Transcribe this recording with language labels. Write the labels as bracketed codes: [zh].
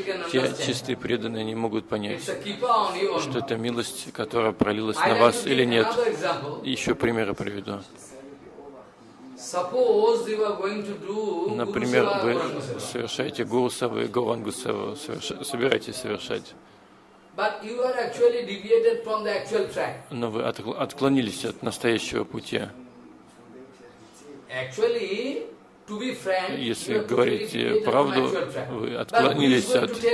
[ru] Те чистые преданные не могут понять, что это милость, которая пролилась на вас или нет. Еще примеры приведу. Например, вы совершаете Гурусаву и Говангусаву, собираетесь совершать. [en] But you are actually deviated from the actual track. [ru] Но вы отклонились от настоящего пути. [en] Actually, to be frank, [ru] если говорить правду, вы отклонились от,